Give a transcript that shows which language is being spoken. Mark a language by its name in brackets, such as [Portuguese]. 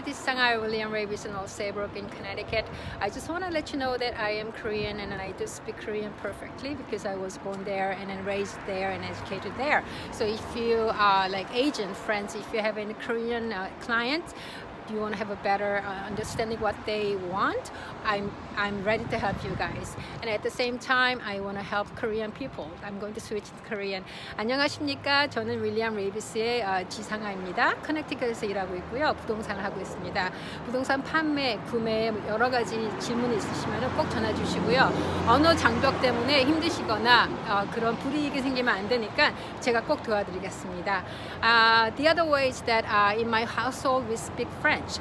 [English] This is Sangai William Raveis and also Saybrook in Connecticut. I just want to let you know that I am Korean and I do speak Korean perfectly because I was born there and then raised there and educated there. So if you are like agent friends, if you have any Korean clients, you want to have a better understanding what they want, I'm ready to help you guys. And at the same time, I want to help Korean people. I'm going to switch to Korean. [Korean] 안녕하십니까? 저는 윌리엄 레이비스의 지상아입니다. 커넥티컷에서 일하고 있고요. 부동산을 하고 있습니다. 부동산 판매, 구매 여러 가지 질문이 있으시면 꼭 전화 주시고요. 언어 장벽 때문에 힘드시거나 그런 불이익이 생기면 안 되니까 제가 꼭 도와드리겠습니다. [English] The other way is that in my household we speak French.